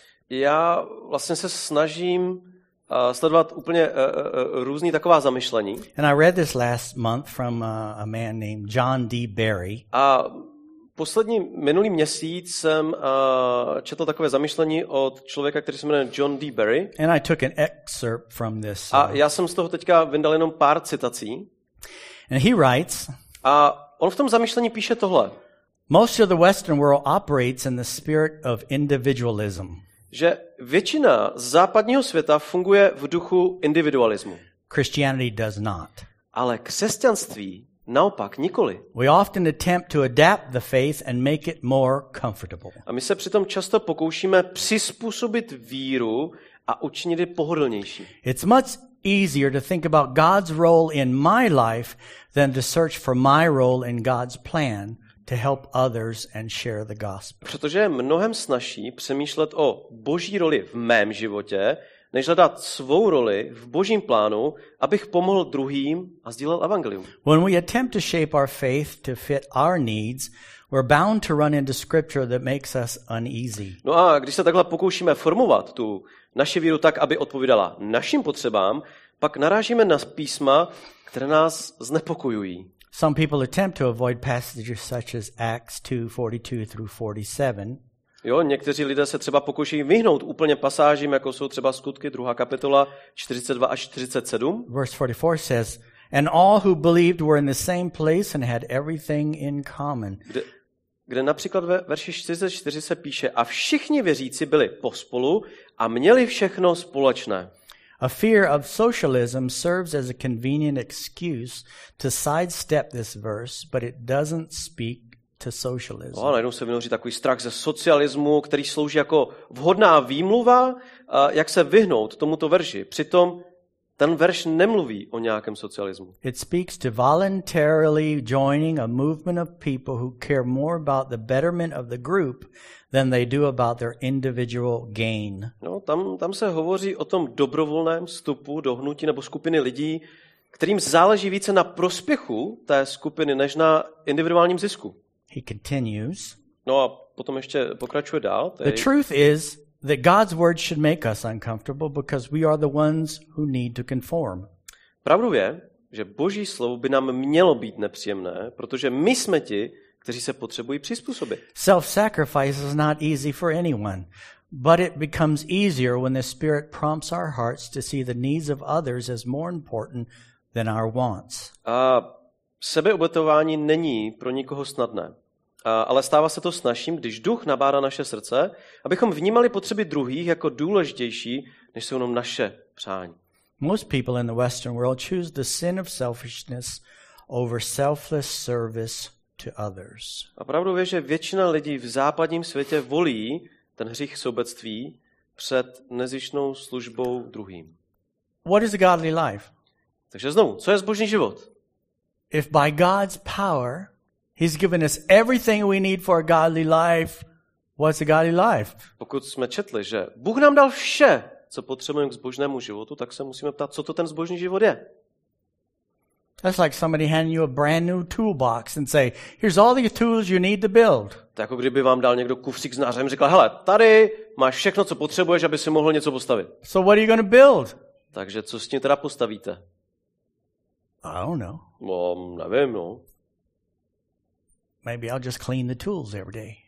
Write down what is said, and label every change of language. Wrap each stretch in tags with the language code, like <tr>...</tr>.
<cs>Já vlastně se snažím sledovat úplně různý taková zamyšlení.</cs> <en>And I read this last month from a man named John D. Barry.</en> <cs>A poslední minulý měsíc jsem četl takové zamyšlení od člověka, který se jmenuje John D. Barry.</cs> <en>And I took an excerpt from this.</en> <cs>A já jsem z toho teďka vyndal jenom pár citací.</cs> <en>And he writes.</en> <cs>A on v tom zamyšlení píše tohle.</cs> <en>Most of the Western world operates in the spirit of individualism.</en> <cs>Že většina západního světa funguje v duchu individualismu.</cs> <en>Christianity does not.</en> <cs>Ale křesťanství Naopak, nikoli.</cs> <en>We often attempt to adapt the faith and make it more comfortable.</en> <cs>A my se přitom často pokoušíme přizpůsobit víru a učinit ji pohodlnější.</cs> <en>It's much easier to think about God's role in my life than to search for my role in God's plan to help others and share the gospel.</en> <cs>Protože je mnohem snazší přemýšlet o Boží roli v mém životě, než hledat svou roli v Božím plánu, abych pomohl druhým a sdílel evangelium.</cs> <en>When we attempt to shape our faith to fit our needs, we're bound to run into scripture that makes us uneasy.</en> <cs>No a když se takhle pokoušíme formovat tu naši víru tak, aby odpovídala našim potřebám, pak narážíme na písma, které nás znepokojují.</cs> <en>Some people attempt to avoid passages such as Acts 2:42-47.</en> <cs>Jo, někteří lidé se třeba pokouší vyhnout úplně pasážím, jako jsou třeba Skutky 2. kapitola 42-47.</cs> <en>Verse 44 says, and all who believed were in the same place and had everything in common.</en> <cs>Kde například ve verši 44 se píše, a všichni věřící byli pospolu a měli všechno společné.</cs> <en>A fear of socialism serves as a convenient excuse to sidestep this verse, but it doesn't speak to socialism.</en> <cs>A najednou se vynoří takový strach ze socialismu, který slouží jako vhodná výmluva, jak se vyhnout tomuto verši. Přitom ten verš nemluví o nějakém socialismu.</cs> <en>It speaks to voluntarily joining a movement of people who care more about the betterment of the group than they do about their individual gain.</en> <cs>No, tam se hovoří o tom dobrovolném vstupu do hnutí nebo skupiny lidí, kterým záleží více na prospěchu té skupiny než na individuálním zisku.</cs> <en>He continues.</en> <cs>No a potom ještě pokračuje dál.</cs> <en>The truth is that God's word should make us uncomfortable because we are the ones who need to conform.</en> <cs>Pravdou je, že Boží slovo by nám mělo být nepříjemné, protože my jsme ti, kteří se potřebují přizpůsobit.</cs> <en>Self-sacrifice is not easy for anyone, but it becomes easier when the Spirit prompts our hearts to see the needs of others as more important than our wants.</en> <cs>Sebeobětování není pro nikoho snadné. Ale stává se to snažším, když duch nabádá naše srdce, abychom vnímali potřeby druhých jako důležitější, než jsou jenom naše přání.</cs> <en>Most people in the Western world choose the sin of selfishness over selfless service to others.</en> <cs>A pravdu je, že většina lidí v západním světě volí ten hřích sobectví před nezištnou službou druhým.</cs> <en>What is a godly life?</en> <cs>Takže znovu, co je zbožný život?</cs> <en>If by God's power He's given us everything we need for a godly life. What's a godly life?</en> <cs>Pokud jsme četli, že Bůh nám dal vše, co potřebujeme k zbožnému životu, tak se musíme ptát, co to ten zbožný život je.</cs> <en>That's like somebody handing you a brand new toolbox and say, here's all the tools you need to build.</en> <cs>Tak jako kdyby vám dal někdo kufřík s nářem, řekl, hele, tady máš všechno, co potřebuješ, aby si mohl něco postavit.</cs> <en>So what are you going to build?</en> <cs>Takže co s tím teda postavíte?</cs> <en>I don't know.</en> <cs>No, nevím, no.</cs> <en>Maybe I'll just clean the tools every day.</en>